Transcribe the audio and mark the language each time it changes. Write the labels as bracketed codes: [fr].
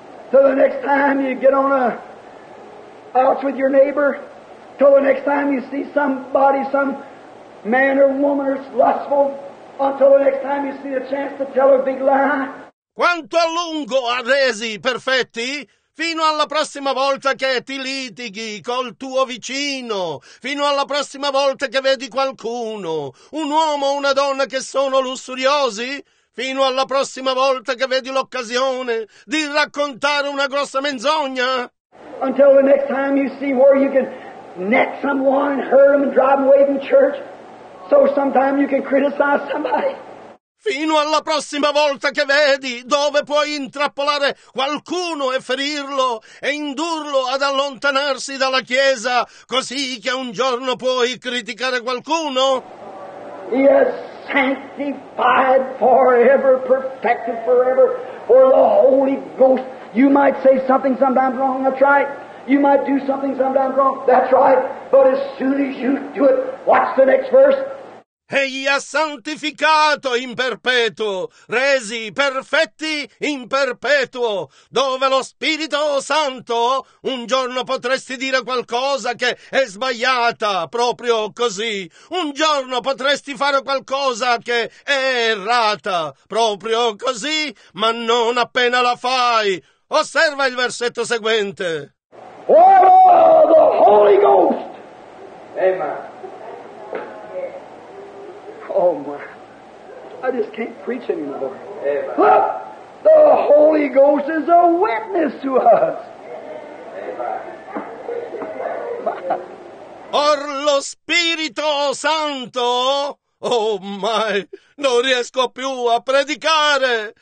[en] So the next time you get on a out with your neighbor. Till the next time you see somebody, some man or woman is lustful, until the next time you see a chance to tell a big lie. [it] Quanto a lungo ha resi perfetti? Fino alla prossima volta che ti litighi col tuo vicino, fino alla prossima volta che vedi qualcuno, un uomo o una donna che sono lussuriosi? Fino alla prossima volta che vedi l'occasione di raccontare una grossa menzogna? [en] Until the next time you see where you can net someone and hurt them and drive them away from church so sometime you can criticize somebody. [it] fino alla prossima volta che vedi dove puoi intrappolare qualcuno e ferirlo e indurlo ad allontanarsi dalla Chiesa, così che un giorno puoi criticare qualcuno. [en] He has sanctified forever, perfected forever, for the Holy Ghost. You might say something sometimes wrong, that's right. You might do something sometimes wrong, that's right. But as soon as you do it, watch the next verse. [it] Egli ha santificato in perpetuo, resi perfetti in perpetuo, dove lo Spirito Santo un giorno potresti dire qualcosa che è sbagliata, proprio così. Un giorno potresti fare qualcosa che è errata, proprio così, ma non appena la fai. Osserva il versetto seguente. [en] Oh, the Holy Ghost! Amen. Oh my, I just can't preach anymore. Amen. Look, the Holy Ghost is a witness to us. [it] Or lo Spirito Santo, oh my, non riesco più a predicare.